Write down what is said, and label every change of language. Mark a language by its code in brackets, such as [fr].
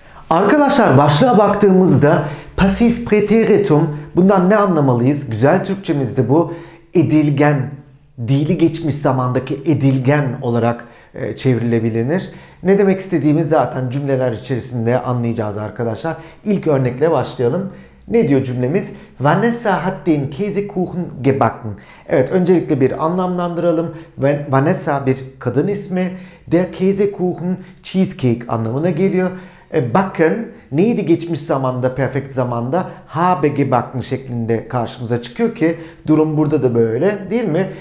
[tr] Arkadaşlar, başlığa baktığımızda pasif preteritum, bundan ne anlamalıyız? Güzel Türkçemizde bu edilgen, dili geçmiş zamandaki edilgen olarak çevrilebilir. Ne demek istediğimi zaten cümleler içerisinde anlayacağız arkadaşlar. İlk örnekle başlayalım. Ne diyor cümlemiz? [de] Vanessa hat den Käsekuchen gebacken. [tr] Evet, öncelikle bir anlamlandıralım. Vanessa bir kadın ismi. Der Käsekuchen cheesecake anlamına geliyor. Backen neydi geçmiş zamanda, perfekt zamanda? [de] Habe gebacken [tr] şeklinde karşımıza çıkıyor ki durum burada da böyle, değil mi?